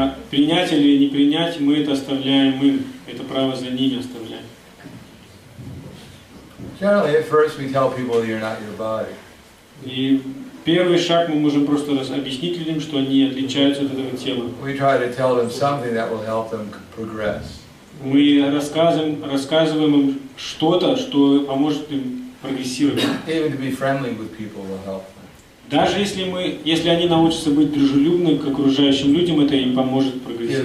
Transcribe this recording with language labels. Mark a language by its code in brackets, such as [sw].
[ru] Принять или не принять, мы это оставляем им. Это право за ними оставляем. [en] Generally, at first we tell people that you're not your body. [ru] И первый шаг мы можем просто объяснить людям, что они отличаются от этого тела. [en] We try to tell them something that will help them progress. [ru] Мы рассказываем им что-то, что поможет им прогрессировать. [en] Even to be friendly with people will help them. [ru] Даже если они научатся быть дружелюбны к окружающим людям, это им поможет прогрессировать.